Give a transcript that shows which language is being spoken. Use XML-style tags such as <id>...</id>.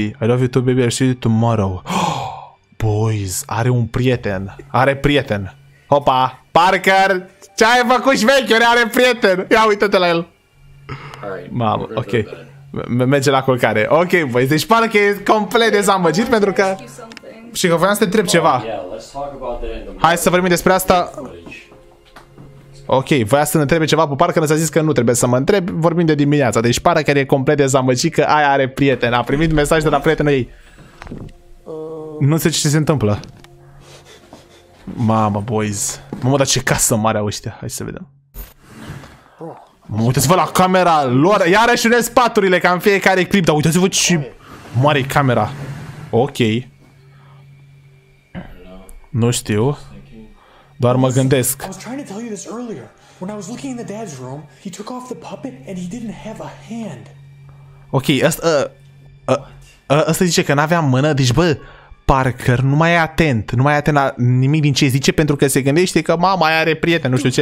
<en>I love you too, baby, I'll see you tomorrow.</en> <ro>Boys, are un prieten. Are prieten. Hopa, Parker, ce ai făcut, șmechi? Are prieten. Ia uite-te la el. Mamă, ok. Merge la culcare. Ok, boys, deci pare că e complet dezamăgit pentru că... Și că voiam să te întreb ceva. Hai să vorbim despre asta... Ok, voia să ne întrebe ceva, pe parcă ne-a zis că nu trebuie să mă întreb, vorbim de dimineața, deci pare că e complet dezamăgit că aia are prieten, a primit mesaj de la prietenul ei. Nu știu ce se întâmplă. Mamă, boys. Mamă, dar ce casă mare au ăștia, hai să vedem. Mamă, uitați-vă la camera lor, iarăși unesc paturile ca în fiecare clip, dar uitați-vă ce mare e camera. Ok. Nu știu. Doar mă gândesc.</ro> <en>I was trying to tell you this earlier. When I was looking in the dad's room, he took off the puppet and he didn't have a hand.</en> <ro>Ok, asta zice că n-avea mână, deci bă, Parker nu mai e atent, nu mai e atent la nimic din ce zice pentru că se gândește că mama aia are prieten, nu știu ce.</ro>